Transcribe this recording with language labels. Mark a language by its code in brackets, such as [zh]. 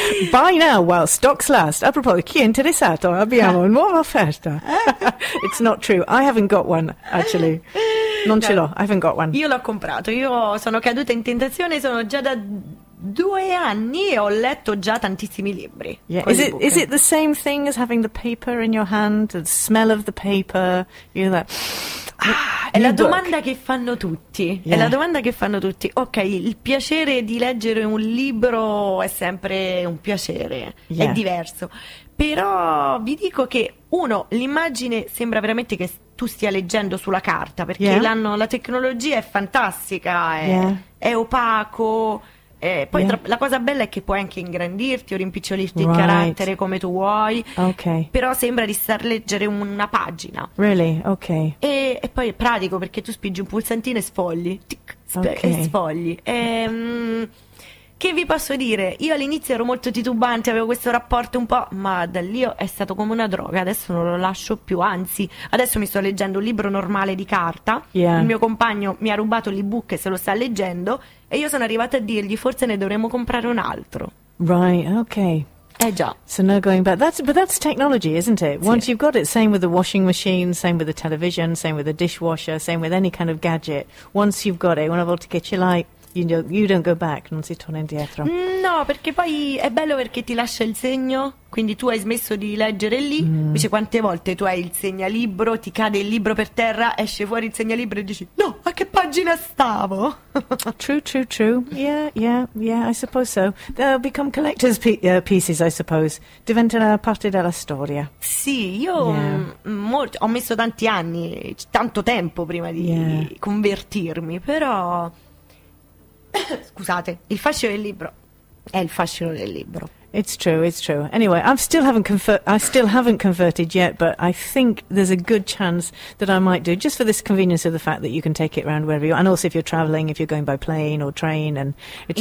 [en] Buy now while stocks last. [it] A proposito, chi è interessato? Abbiamo una nuova offerta. [en] It's not true. I haven't got one, actually. [it] Non no. Ce l'ho. [en] I haven't got one. [it] Io l'ho comprato. Io sono caduta in tentazione. Sono già da 2 anni e ho letto già tantissimi libri. [en] Yeah. Is it the same thing as having the paper in your hand, the smell of the paper, you know that? [it] È la domanda che fanno tutti. [en] Yeah. [it] È la domanda che fanno tutti. Ok, il piacere di leggere un libro è sempre un piacere. [en] Yeah. [it] È diverso. Però vi dico che uno, l'immagine sembra veramente che tu stia leggendo sulla carta, perché [en] yeah. [it] la tecnologia è fantastica, [en] yeah. [it] È opaco. Poi [en] yeah. [it] La cosa bella è che puoi anche ingrandirti o rimpicciolirti il carattere come tu vuoi. [en] Okay. [it] Però sembra di star leggere una pagina. [en] Really? Ok. [it] E poi è pratico perché tu spingi un pulsantino e sfogli. Sfogli. Che vi posso dire? Io all'inizio ero molto titubante, avevo questo rapporto un po', ma da lì è stato come una droga. Adesso non lo lascio più, anzi, adesso mi sto leggendo un libro normale di carta. [en] Yeah. [it] Il mio compagno mi ha rubato l'ebook e se lo sta leggendo, e io sono arrivata a dirgli forse ne dovremmo comprare un altro. [en] Right, okay. [it] Già. [en] So no going back. But that's technology, isn't it? Once [it] sì. [en] You've got it, same with the washing machine, same with the television, same with the dishwasher, same with any kind of gadget. Once you've got it, [it] una volta che ce l'hai, [en] you don't go back, [it] non si torna indietro. No, perché poi è bello perché ti lascia il segno, quindi tu hai smesso di leggere lì, invece quante volte tu hai il segnalibro, ti cade il libro per terra, esce fuori il segnalibro e dici, no, a che pagina stavo? [en] True, yeah, I suppose so. They'll become collector's pieces, I suppose. [it] Diventano parte della storia. Sì, io ho messo tanti anni, tanto tempo prima di convertirmi, però... Scusate, il fascino del libro è il fascino del libro. [en] It's true. Anyway, I still haven't converted yet, but I think there's a good chance that I might do, just for this convenience of the fact that you can take it around wherever you are, and also if you're traveling, if you're going by plane or train, and it's